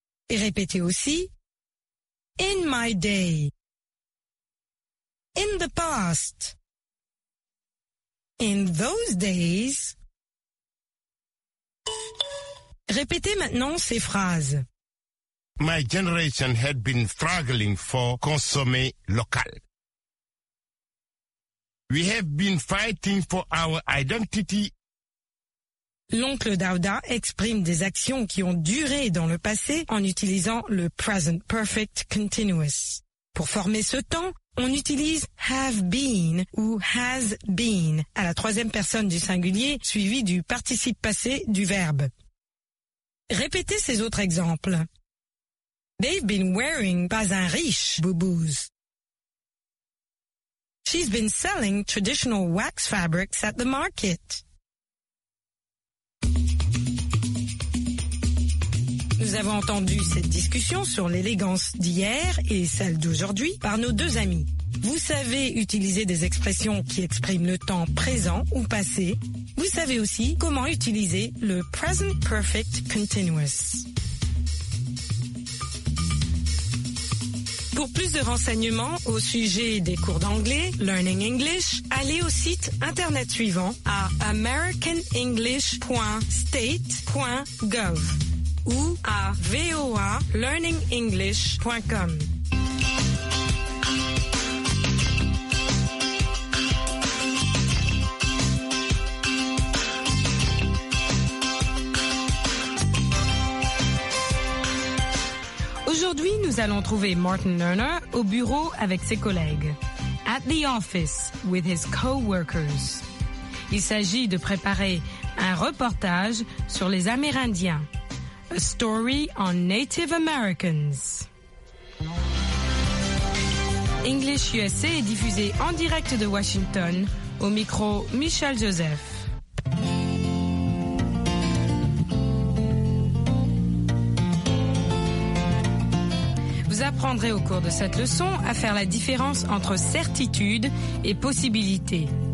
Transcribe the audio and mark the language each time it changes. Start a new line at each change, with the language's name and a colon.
French: Et répétez aussi.
English: In my day. In the past. In those days.
French: Répétez maintenant ces phrases.
English: My generation had been struggling for
French: consommer local.
English: We have been fighting for our identity.
French: L'oncle Daouda exprime des actions qui ont duré dans le passé en utilisant le present perfect continuous. Pour former ce temps, on utilise have been ou has been à la troisième personne du singulier suivi du participe passé du verbe. Répétez ces autres exemples.
English: They've been wearing bazin riche boubous. She's been selling traditional wax fabrics at the market.
French: Nous avons entendu cette discussion sur l'élégance d'hier et celle d'aujourd'hui par nos deux amis. Vous savez utiliser des expressions qui expriment le temps présent ou passé. Vous savez aussi comment utiliser le present perfect continuous. Pour plus de renseignements au sujet des cours d'anglais, Learning English, allez au site internet suivant à americanenglish.state.gov ou à voalearningenglish.com. Aujourd'hui, nous allons trouver Martin Lerner au bureau avec ses collègues.
English: At the office with his co-workers.
French: Il s'agit de préparer un reportage sur les Amérindiens.
English: A story on Native Americans.
French: English USA est diffusé en direct de Washington au micro Michel Joseph. Vous apprendrez au cours de cette leçon à faire la différence entre certitude et possibilité.